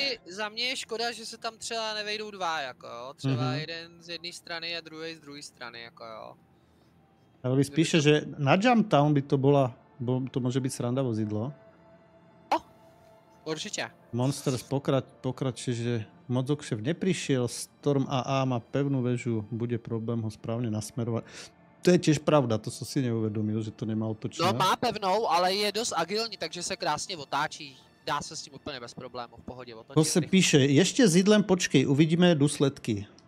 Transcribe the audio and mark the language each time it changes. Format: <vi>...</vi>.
<cs>Za mě je škoda, že se tam třeba nevejdou dva, jako jo. Třeba jeden z jedné strany a druhý z druhé strany, jako jo.</cs> <sk>Ale spíše, že na Jump Town by to bola, bo to môže byť sranda vozidlo. O, určite. Monsters pokračuje, že moc okšev neprišiel, Storm AA má pevnú väžu, bude problém ho správne nasmerovať. To je tiež pravda, to som si neuvedomil, že to nemá otočné.</sk> <cs>No má pevnou, ale je dosť agilní, takže sa krásne otáčí.</cs> <sk>Dá sa s tým úplne bez problémov, v pohode otočí. To sa píše, ešte s jídlem počkej, uvidíme dôsledky.</sk>